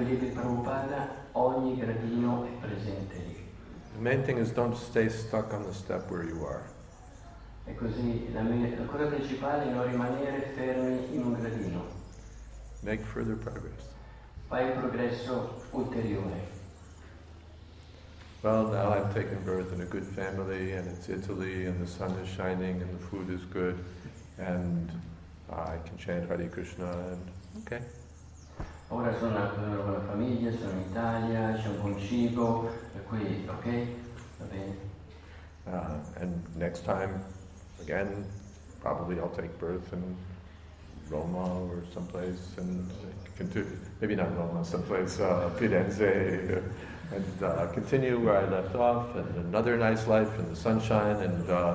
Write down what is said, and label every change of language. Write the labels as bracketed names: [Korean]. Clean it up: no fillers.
[Italian] il libro di Prabhupada, ogni gradino è presente lì. [English] The main thing is don't stay stuck on the step where you are. [Italian] E così la cosa principale è non rimanere fermi in un gradino. [English] Make further progress. [Italian] Fai un progresso ulteriore. [English] Well, now I've taken birth in a good family, and it's Italy, and the sun is shining, and the food is good, and I can chant Hare Krishna and okay. [Italian] Ora sono nato in una buona famiglia, sono in Italia, c'è un buon cibo, e qui, ok, va bene. [English] And next time, again, probably I'll take birth in Roma or someplace, and maybe not Roma, someplace, Firenze, and continue where I left off, and another nice life in the sunshine, and